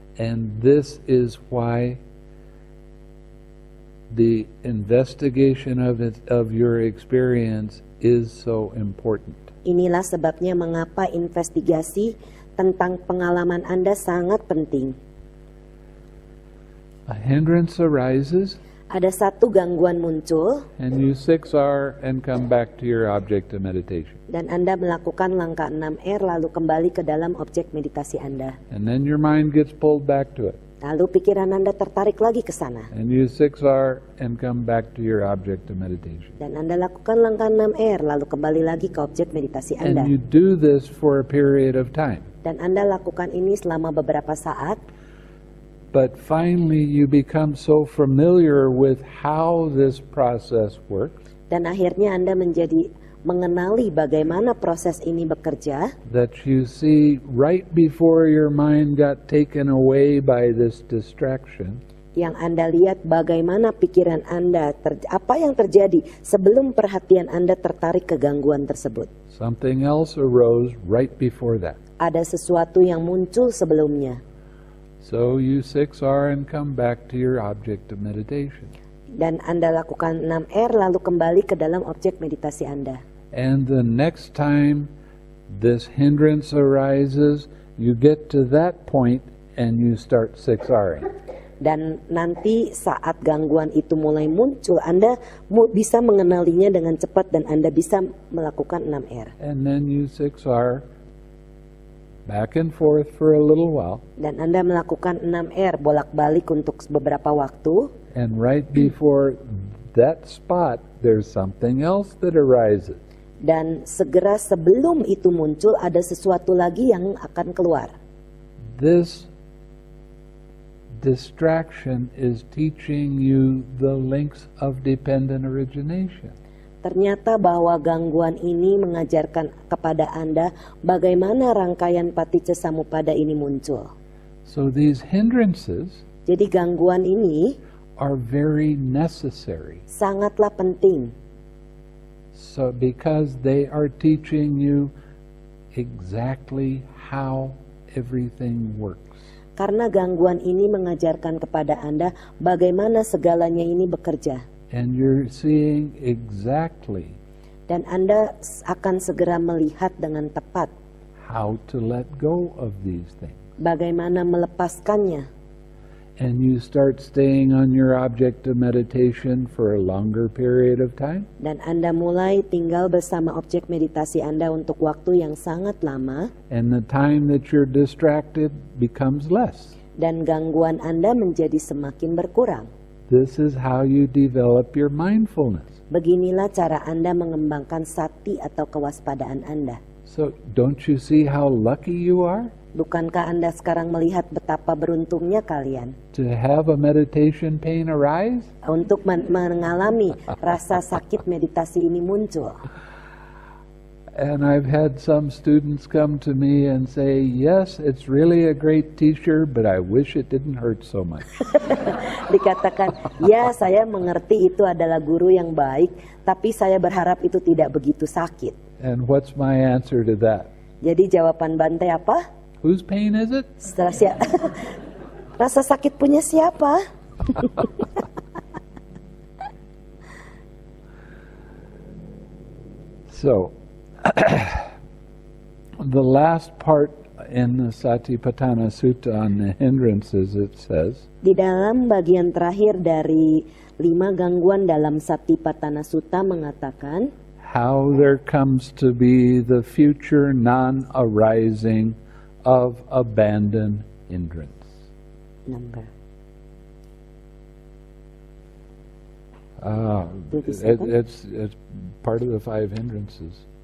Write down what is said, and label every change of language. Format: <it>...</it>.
<en>And this is why the investigation of it, of your experience is so important.</en> <id>Inilah sebabnya mengapa investigasi tentang pengalaman Anda sangat penting.</id> <en>A hindrance arises.</en> <id>Ada satu gangguan muncul.</id> <en>And you 6R and come back to your object of meditation.</en> <id>Dan Anda melakukan langkah 6R lalu kembali ke dalam objek meditasi Anda.</id> <en>And then your mind gets pulled back to it.</en> <id>Lalu pikiran Anda tertarik lagi ke sana.</id> <en>And you 6R and come back to your object of meditation.</en> <id>Dan Anda lakukan langkah 6R lalu kembali lagi ke objek meditasi Anda.</id> <en>And you do this for a period of time.</en> <id>Dan Anda lakukan ini selama beberapa saat.</id> <en>But finally you become so familiar with how this process works.</en> <id>Dan akhirnya Anda menjadi mengenali bagaimana proses ini bekerja.</id> <en>That you see right before your mind got taken away by this distraction.</en> <id>Yang Anda lihat bagaimana pikiran Anda apa yang terjadi sebelum perhatian Anda tertarik ke gangguan tersebut.</id> <en>Something else arose right before that.</en> <id>Ada sesuatu yang muncul sebelumnya.</id> <en>So you 6R and come back to your object of meditation.</en> <id>Dan Anda lakukan 6R lalu kembali ke dalam objek meditasi Anda.</id> <en>And the next time this hindrance arises, you get to that point and you start 6R-ing.</en> <id>Dan nanti saat gangguan itu mulai muncul, Anda bisa mengenalinya dengan cepat dan Anda bisa melakukan 6R.</id> <en>And then you 6R back and forth for a little while.</en> <id>Dan Anda melakukan 6R bolak-balik untuk beberapa waktu.</id> <en>And right before that spot, there's something else that arises.</en> <id>Dan segera sebelum itu muncul, ada sesuatu lagi yang akan keluar.</id> <en>This distraction is teaching you the links of dependent origination.</en> <id>Ternyata bahwa gangguan ini mengajarkan kepada Anda bagaimana rangkaian paticca samuppada ini muncul.</id> <en>So these hindrances.</en> <id>Jadi gangguan ini</id> <en>are very necessary.</en> <id>Sangatlah penting.</id> <en>So because they are teaching you exactly how everything works.</en> <id>Karena gangguan ini mengajarkan kepada Anda bagaimana segalanya ini bekerja.</id> <en>And you're seeing exactly.</en> <id>Dan Anda akan segera melihat dengan tepat.</id> <en>How to let go of these things.</en> <id>Bagaimana melepaskannya.</id> <en>And you start staying on your object of meditation for a longer period of time.</en> <id>Dan Anda mulai tinggal bersama objek meditasi Anda untuk waktu yang sangat lama.</id> <en>And the time that you're distracted becomes less.</en> <id>Dan gangguan Anda menjadi semakin berkurang.</id> <en>This is how you develop your mindfulness.</en> <id>Beginilah cara Anda mengembangkan sati atau kewaspadaan Anda.</id> <en>So, don't you see how lucky you are?</en> <id>Bukankah Anda sekarang melihat betapa beruntungnya kalian?</id> <en>To have a meditation pain arise?</en> <id>Untuk mengalami rasa sakit meditasi ini muncul.</id> <en>And I've had some students come to me and say, "Yes, it's really a great teacher, but I wish it didn't hurt so much."</en> <id>Dikatakan, "Ya, saya mengerti itu adalah guru yang baik, tapi saya berharap itu tidak begitu sakit."</id> <en>And what's my answer to that?</en> <id>Jadi jawaban bantai apa?</id> <en>Whose pain is it?</en> <id>Rasa sakit punya siapa?</id> <en>So, the last part in the Satipatthana Sutta on the hindrances, it says.</en> <id>Di dalam bagian terakhir dari lima gangguan dalam Satipatthana Sutta mengatakan.</id> <en>How there comes to be the future non-arising of abandoned hindrance. Number. It's part of the five hindrances.</en>